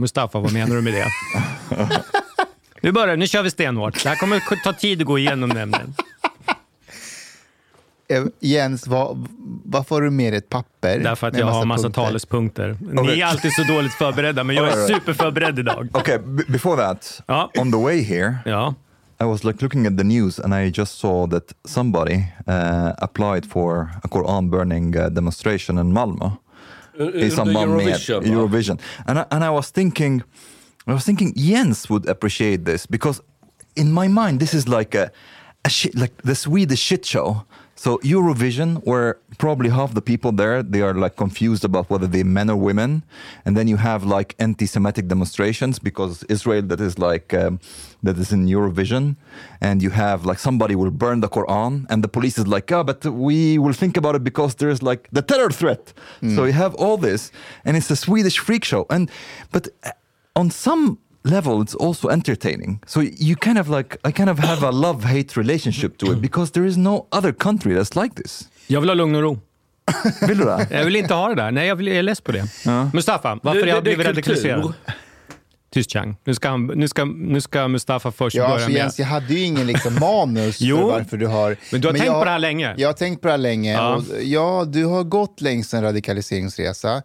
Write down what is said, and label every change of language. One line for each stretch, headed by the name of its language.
Swedish: Mustafa, vad menar du med det? Nu börjar, nu kör vi stenhårt. Det här kommer ta tid att gå igenom nämligen. Jens, varför har du med ett papper? Därför att jag har en massa punkter. Talespunkter. Ni är alltid så dåligt förberedda, men jag är superförberedd idag.
English: Okay, before that, on the way here, I was like looking at the news and I just saw that somebody applied for a Quran burning demonstration in Malmö. Eurovision. And I was thinking Jens would appreciate this, because in my mind this is like the Swedish shit show. So Eurovision, where probably half the people there, they are like confused about whether they're men or women. And then you have like anti-Semitic demonstrations because Israel that is like, that is in Eurovision. And you have like somebody will burn the Quran and the police is like, but we will think about it because there is like the terror threat. Mm. So you have all this and it's a Swedish freak show. But on some level, it's also entertaining. So you kind of like, I kind of have a love-hate relationship to it because there is no other country that's like this.
Swedish: Jag vill ha lugn och ro. Vill du det? Jag vill inte ha det där. Nej, jag är less på det. Mustafa, varför jag blivit radikaliserad? Tyst, Chang. Nu ska Mustafa först börja med. Jens, jag hade ju ingen liksom manus för varför du har... Men du har tänkt på det här länge. Jag har tänkt på det här länge. Ja. Du har gått längs en radikaliseringsresa.